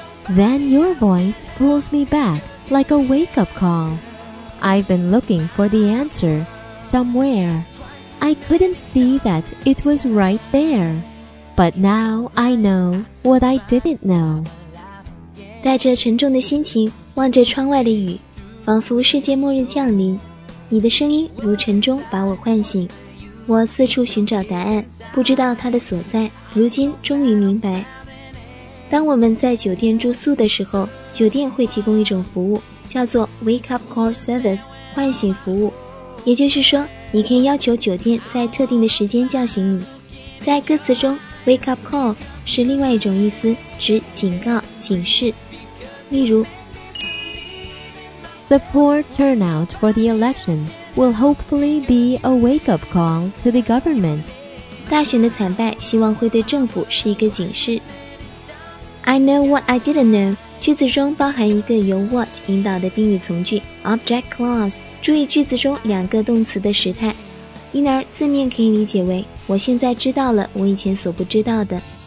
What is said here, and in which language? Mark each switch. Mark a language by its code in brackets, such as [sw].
[en] Then your voice pulls me back like a wake-up call. I've been looking for the answer somewhere. I couldn't see that it was right there. But now I know what I didn't know. [zh] 带着沉重的心情望着窗外的雨，仿佛世界末日降临，你的声音如晨钟把我唤醒，我四处寻找答案，不知道它的所在，如今终于明白。当我们在酒店住宿的时候，酒店会提供一种服务叫做 Wake Up Call Service 唤醒服务，也就是说你可以要求酒店在特定的时间叫醒你。在歌词中 Wake Up Call 是另外一种意思，指警告警示。例如 [en] The poor turnout for the election will hopefully be a wake-up call to the government. [zh] 大选的惨败希望会对政府是一个警示。 [en] I know what I didn't know [zh] 句子中包含一个由 what 引导的宾语从句 object clause， 注意句子中两个动词的时态，因而字面可以理解为我现在知道了我以前所不知道的。